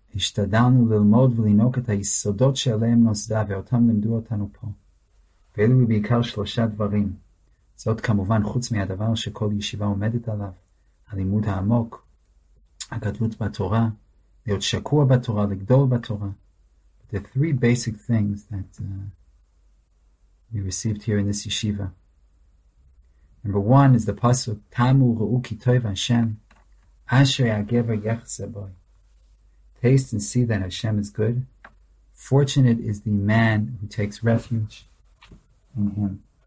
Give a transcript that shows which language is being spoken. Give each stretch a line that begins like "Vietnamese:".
Hebrew: השתדלנו ללמוד ולנהוג את היסודות שעליהם נוסדה ואותם לימדו אותנו פה. ואלו בעיקר שלושה דברים. זאת כמובן חוץ מהדבר שכל ישיבה עומדת עליו, הלימוד העמוק, הגדלות בתורה, להיות שקוע בתורה, לגדול בתורה.
English: The three basic things that we received here in this yeshiva. Number one is the pasuk,
Hebrew: תמו ראו כי טוב השם, אשרי הגבר יחסה בוי.
English: Taste and see that Hashem is good. Fortunate is the man who takes refuge in Him.